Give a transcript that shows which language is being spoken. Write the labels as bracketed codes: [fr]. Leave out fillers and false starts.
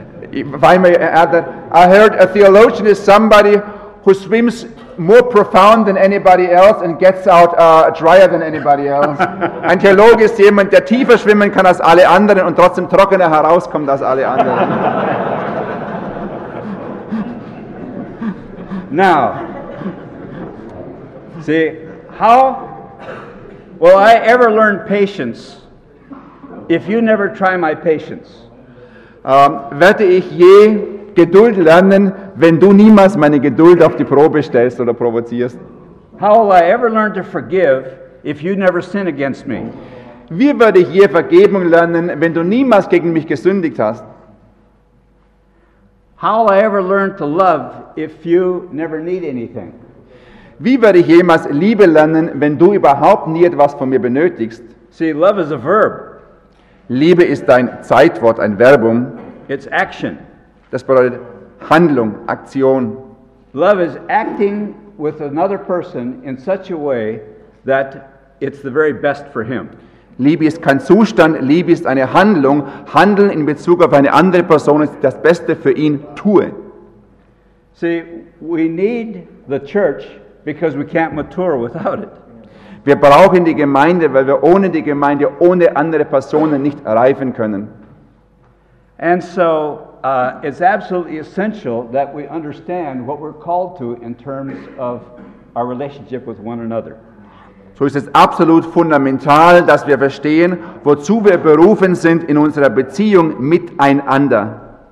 [en] If I may add that, I heard a theologian is somebody who swims more profound than anybody else and gets out drier than anybody else. [de] Ein Theologe ist jemand, der tiefer schwimmen kann als alle anderen und trotzdem trockener herauskommt als alle anderen. [en] Now, see, how will I ever learn patience if you never try my patience? [de] Werde ich je Geduld lernen, wenn du niemals meine Geduld auf die Probe stellst oder provozierst? [en] How will I ever learn to forgive if you never sin against me? [de] Wie werde ich je Vergebung lernen, wenn du niemals gegen mich gesündigt hast? [en] How will I ever learn to love if you never need anything? [de] Wie werde ich jemals Liebe lernen, wenn du überhaupt nie etwas von mir benötigst? [en] See, love is a verb. [de] Liebe ist ein Zeitwort, ein Verbum. [en] It's action. [de] Das bedeutet Handlung, Aktion. [en] Love is acting with another person in such a way that it's the very best for him. [de] Liebe ist kein Zustand, Liebe ist eine Handlung. Handeln in Bezug auf eine andere Person ist das Beste für ihn, tue. [en] See, we need the church because we can't mature without it. [de] Wir brauchen die Gemeinde, weil wir ohne die Gemeinde, ohne andere Personen nicht reifen können. [en] And so it's absolutely essential that we understand what we're called to in terms of our relationship with one another. [de] So ist es absolut fundamental, dass wir verstehen, wozu wir berufen sind in unserer Beziehung miteinander.